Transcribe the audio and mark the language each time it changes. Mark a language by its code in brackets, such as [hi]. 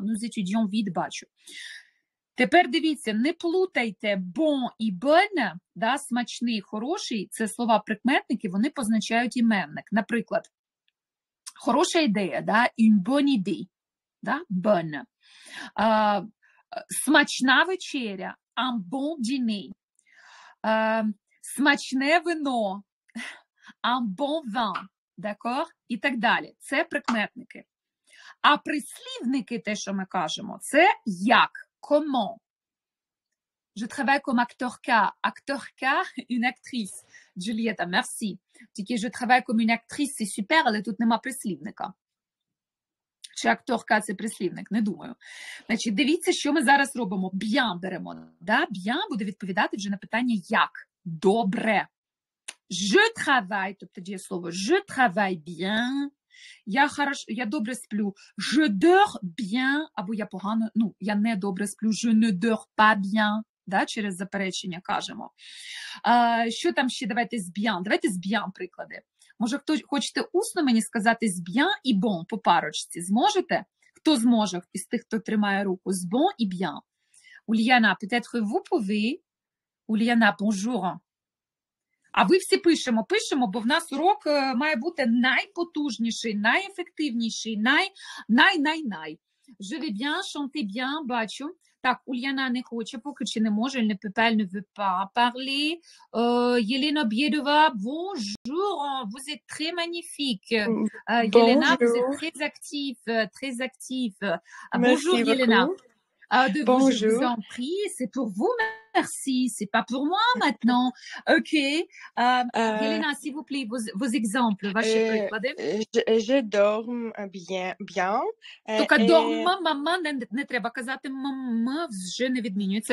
[uk] Ну, з етюдьом від бачу. Тепер дивіться, не плутайте bon і bonne, да, смачний, хороший, це слова прикметники, вони позначають іменник. Наприклад, хороша ідея, да, [fr] une bonne idée, [uk] да, bonne. Смачна вечеря, [fr] un bon dîner. [uk] Смачне вино, un bon vin, d'accord? І так далі. Це прикметники. А прислівники, те, що ми кажемо, це як, comment. [fr] Je travaille comme actorka. Actorka, une actrice. Джулієта, merci. Тільки je travaille comme une actrice, c'est super, [uk] але тут нема прислівника. Чи акторка – це прислівник? Не думаю. Значить, дивіться, що ми зараз робимо. Bien беремо. Да? Bien буде відповідати вже на питання як. Добре. Je travaille, тобто діє слово. Je travaille bien. Я добре сплю. [fr] Je dors bien. [uk] Або я погано, ну, я не добре сплю. [fr] Je ne dors pas bien. Да? [uk] Через заперечення кажемо. Що там ще? Давайте з bien. Давайте з bien приклади. Може, хто хочете усно мені сказати з bien і bon по парочці? Зможете? Хто зможе із тих, хто тримає руку? З bon і bien. [fr] Ульяна, peut-être vous pouvez? [uk] Ульяна, bonjour. А ви всі пишемо, пишемо, бо в нас урок має бути найпотужніший, найефективніший, най-най-най. [fr] Je vais bien, chante bien, бачу. [uk] Так, Ульяна не хоче, поки чи не може, не пепельно ви парли. [fr] Єлена Б'єдова, bonjour, vous êtes très magnifique. Єлена, vous êtes très актив, très актив. Bonjour, Єлена. Bonjour. Je vous en prie, c'est pour vous, merci, c'est pas pour moi maintenant. Ok. Елена, s'il vous plaît, vos exemples, [uk] ваші приклади. [fr] Je dorme bien. [uk] Тільки dorme, мама, не треба казати, мама вже не відмінюється.